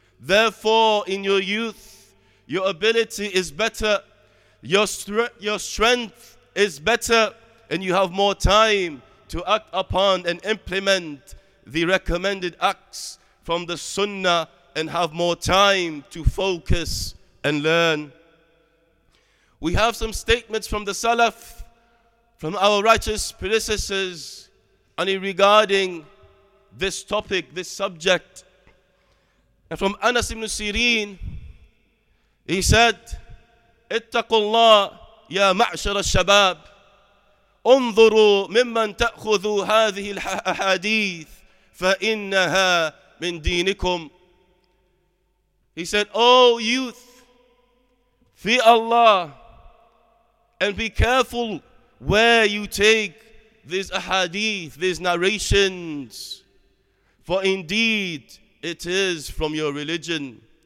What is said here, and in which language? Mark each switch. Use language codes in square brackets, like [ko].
[en] Therefore, in your youth, your ability is better, your strength is better, and you have more time to act upon and implement the recommended acts from the Sunnah, and have more time to focus and learn. We have some statements from the Salaf, from our righteous predecessors, and in regarding this topic, this subject. And from Anas ibn Sirin, he said, [ar] اتقوا الله يا معشر الشباب انظروا ممن تأخذوا هذه الحديث فإنها من دينكم. [en] He said, oh youth, fear Allah and be careful where you take these ahadith, these narrations, for indeed it is from your religion.